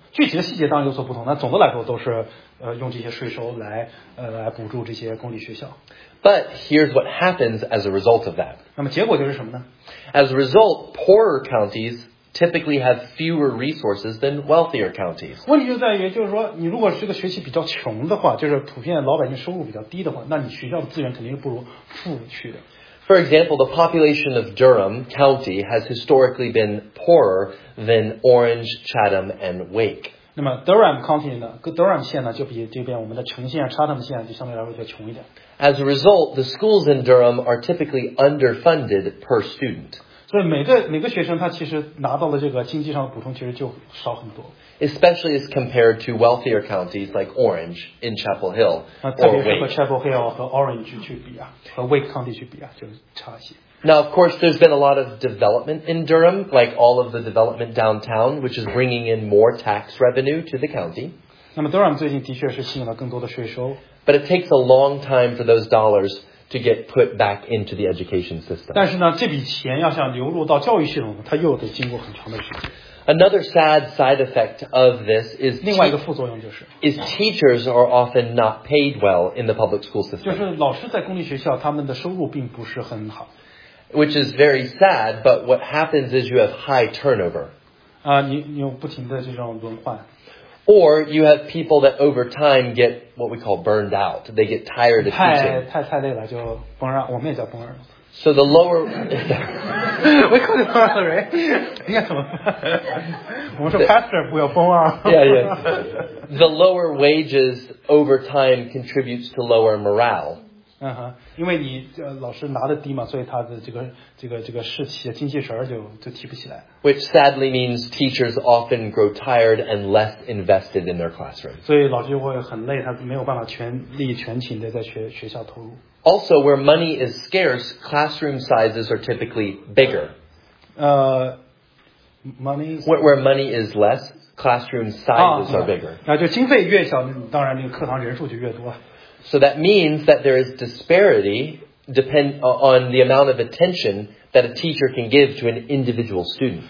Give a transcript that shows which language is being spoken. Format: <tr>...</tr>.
<zh>具体的细节当然有所不同，那总的来说都是用这些税收来补助这些公立学校。</zh> <en>But here's what happens as a result of that.</en> <zh>那么结果就是什么呢？</zh> <en>As a result, poorer counties typically have fewer resources than wealthier counties.</en> <zh>问题就在于，就是说，你如果是个学区比较穷的话，就是普遍老百姓收入比较低的话，那你学校的资源肯定是不如富区的。</zh> <en>For example, the population of Durham County has historically been poorer than Orange, Chatham, and Wake.</en> <zh>那么 Durham County 呢 ，Durham 县呢，就比这边我们的城县 Chatham 县就相对来说要穷一点。</zh> <en>As a result, the schools in Durham are typically underfunded per student.</en> <zh>所以每个学生他其实拿到了这个经济上的补充其实就少很多。</zh> <en>Especially as compared to wealthier counties like Orange in Chapel Hill.</en> <zh>特别是和 Chapel Hill 和 Orange 去比啊，和 Wake County 去比啊，就差一些。</zh> <en>Now, of course, there's been a lot of development in Durham, like all of the development downtown, which is bringing in more tax revenue to the county.</en> <zh>那么 Durham 最近的确是吸引了更多的税收。</zh> <en>But it takes a long time for those dollars. To get put back into the education system.</en> <zh>但是呢，这笔钱要想流入到教育系统，它又得经过很长的时间。</zh> <en>Another sad side effect of this is</en> <zh>另外一个副作用就是</zh> <en>is teachers are often not paid well in the public school system.</en> <zh>就是老师在公立学校他们的收入并不是很好。</zh> <en>Which is very sad, but what happens is you have high turnover.</en> <zh>你有不停的这种轮换。</zh> <en>Or you have people that over time get what we call burned out. They get tired of teaching.</en> <zh>太累了就 burn out. 我们也叫 burn out.</zh> <en>So the lower... We call it burn out, right?</en> <zh>应该怎么办？我们说 pastor 不要 burn out.</zh> <en>Yeah, yeah. The lower wages over time contributes to lower morale.</en> <zh>因为你老师拿的低嘛，所以他的这个士气、精气神就提不起来。</zh> <en>Which sadly means teachers often grow tired and less invested in their classroom.</en> <zh>所以老师就会很累，他没有办法全力全情的在学校投入。</zh> <en>Also, where money is scarce, classroom sizes are typically bigger. Where money is less, classroom sizes are bigger.</en> <zh>那就经费越小，当然那个课堂人数就越多。</zh> <en>So that means that there is disparity depend on the amount of attention that a teacher can give to an individual student.</en>